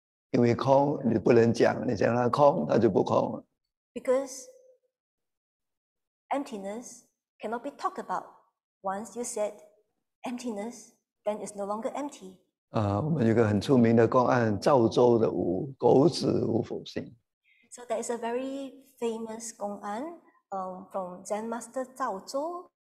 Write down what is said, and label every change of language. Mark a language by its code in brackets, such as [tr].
[zh] 因为空你不能讲，你讲它空它就不空了。 [en] Because emptiness cannot be talked about. Once you said emptiness, then it's no longer empty. [zh] 我们有一个很出名的公案，赵州的无，狗子无否性。 [en] So there is a very famous 公案from Zen Master 赵州.